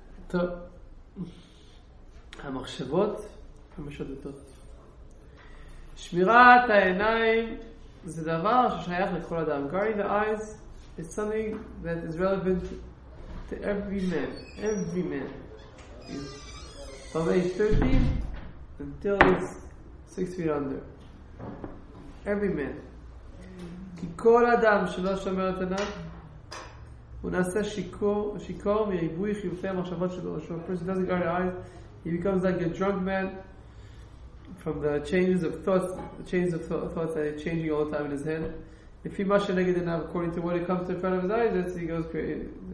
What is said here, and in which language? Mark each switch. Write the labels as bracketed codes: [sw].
[en] So [he] המחשבות המשוטטות. שמירת העיניים זה דבר ששייך לכל אדם. [en] Guarding the eyes is something that is relevant to every man. Every man. From age 13 until he's 6 feet under. Every man. [he] כי כל אדם שלא שומר את עיניו הוא נעשה שיקור מריבוי חיופי המחשבות שלו. [en] So a person doesn't guard the eyes, he becomes like a drunk man. From the changes of thoughts that are changing all the time in his head. If he must negate it now, according to what it comes to in front of his eyes, that's he goes crazy.